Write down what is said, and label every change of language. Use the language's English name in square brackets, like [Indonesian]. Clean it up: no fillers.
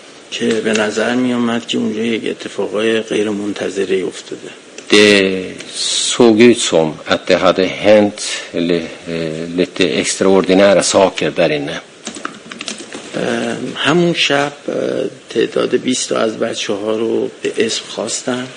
[Persian] که به نظر می اومد که اونجا یک اتفاقای غیر منتظره افتاده. [Swedish] Det såg ut som att det hade hänt eller lite extraordinära saker där inne. [Persian] همون شب تعداد 20 از بچه‌ها رو به اسم خواستن.